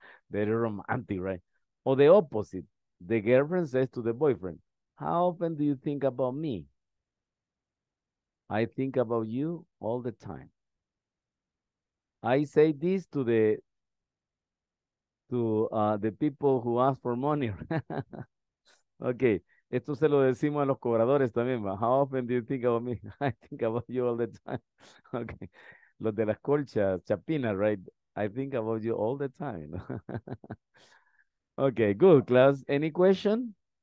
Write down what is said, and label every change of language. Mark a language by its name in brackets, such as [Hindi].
[English] Very romantic, right? Or the opposite. The girlfriend says to the boyfriend, how often do you think about me? I think about you all the time. I say this to the the people who ask for money. [Spanish] Okay, esto se lo decimos a los cobradores también. [English] But how often do you think about me? I think about you all the time. Okay, [Spanish] los de las colchas, chapinas, [English] right? I think about you all the time. Okay, good, class. Any question?